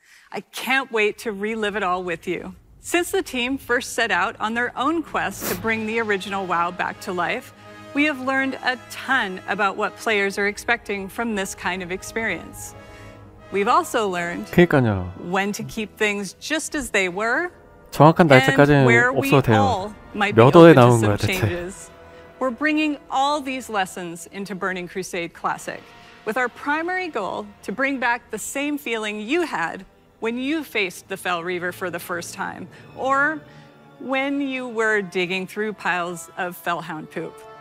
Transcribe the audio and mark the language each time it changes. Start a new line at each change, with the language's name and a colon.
English: I can't wait to relive it all with you. Since the team first set out on their own quest to bring the original WoW back to life, we have learned a ton about what players are expecting from this kind of experience. We've also learned
Korean: 그러니까요.
English: When to keep things just as they were,
Korean: 정확한 날짜까지는 없어도 돼요. 몇 월에 나온 거야, 대체.
English: We're bringing all these lessons into Burning Crusade Classic with our primary goal to bring back the same feeling you had when you faced the Fell Reaver for the first time or when you were digging through piles of Fellhound poop.